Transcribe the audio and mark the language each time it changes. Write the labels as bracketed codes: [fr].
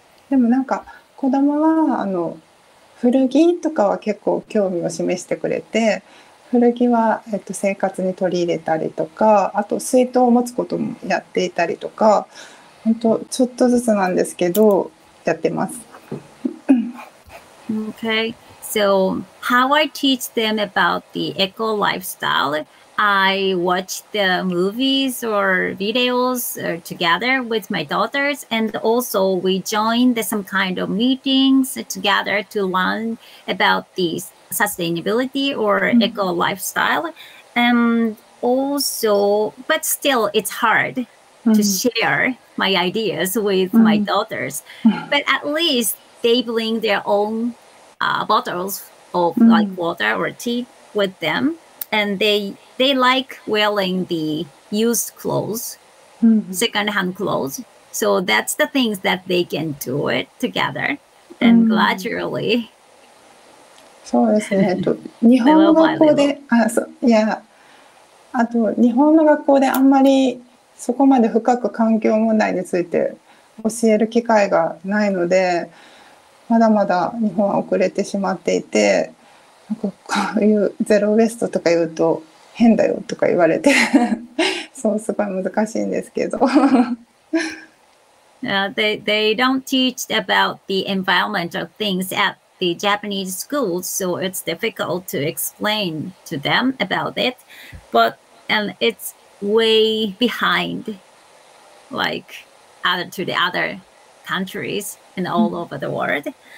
[ja] でもなんか子供は古着とかは結構興味を示してくれて古着は、生活に取り入れたりとかあと水筒を持つこともやっていたりとか本当ちょっとずつなんですけどやってます。 [en] Okay. So how I teach them about the eco lifestyle, I watch the movies or videos together with my daughters. And also we join the, some kind of meetings together to learn about the sustainability or eco lifestyle. And also, but still it's hard to share my ideas with my daughters, but at least they bring their own bottles of like water or tea with them. And they like wearing the used clothes, secondhand clothes. So that's the things that they can do it together and gradually. [ja] そうですね。日本の学校で、あ、そう、いや、あと日本の学校であんまりそこまで深く環境問題について教える機会がないので、まだまだ日本は遅れてしまっていて、なんかこういうゼロウェストとか言うと変だよとか言われて、そう、すごい難しいんですけど。 [en] they don't teach about the environmental things at the Japanese schools, so it's difficult to explain to them about it. But and it's way behind, like, other to the other countries and all over the world.